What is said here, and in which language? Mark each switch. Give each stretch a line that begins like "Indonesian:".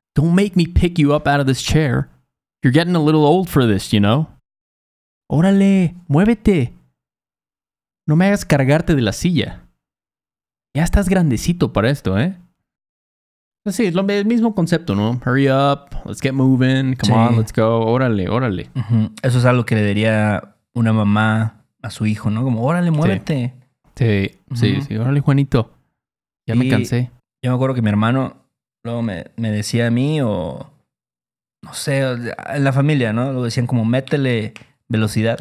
English: Don't make me pick you up out of this chair. You're getting a little old for this, you know?
Spanish: Órale, muévete. No me hagas cargarte de la silla. Ya estás grandecito para esto, ¿eh? Sí, es el mismo concepto, ¿no?
English: Hurry up, let's get moving, come on, let's go, órale. Uh-huh.
Spanish: Eso es algo que le diría una mamá a su hijo, ¿no? Como, órale, muévete. Sí, órale, Juanito. Ya me cansé. Yo me acuerdo que mi hermano luego me decía a mí o... No sé, en la familia, ¿no? Lo decían como, métele velocidad.